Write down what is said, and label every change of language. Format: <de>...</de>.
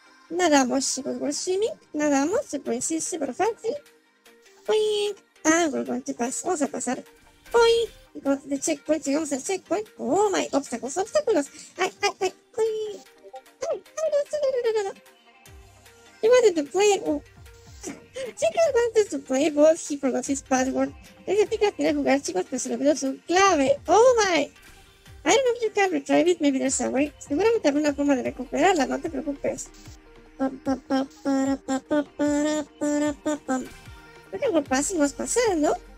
<es>Nadamos, chicos,</es> <en>we're swimming.</en> <es>Nadamos,</es> <en>super easy,</en> <es>super fácil. Boing.</es> <en>And we're going to pass.</en> <es>Vamos a pasar. Boing.</es> <en>We got the checkpoint.</en> <es>Llegamos al checkpoint.</es> <en>Oh my,</en> <es>obstáculos. Ay, ay, ay. Boing.</es> <en>No. He wanted to play it. Chica wants to play but he forgot his password.</en> <es>Esa chica quiere jugar, chicos, pero se lo olvidó su clave.</es> <en>Oh my. I don't know if you can retrieve it, maybe there's a way.</en> <es>Seguramente habrá una forma de recuperarla, no te preocupes. Creo que algo fácil va a pasar, ¿no?</es>